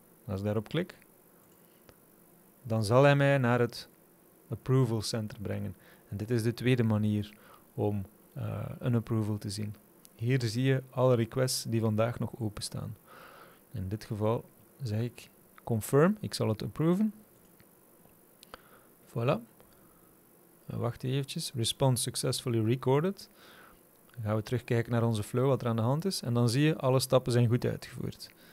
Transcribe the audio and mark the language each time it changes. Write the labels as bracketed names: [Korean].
[Dutch] Als ik daarop klik, dan zal hij mij naar het approval center brengen. En dit is de tweede manier om een approval te zien. Hier zie je alle requests die vandaag nog openstaan. In dit geval zeg ik confirm, ik zal het approven. Voilà. Wacht eventjes. [English] Response successfully recorded. [Dutch] Dan gaan we terugkijken naar onze flow, wat er aan de hand is. En dan zie je, alle stappen zijn goed uitgevoerd.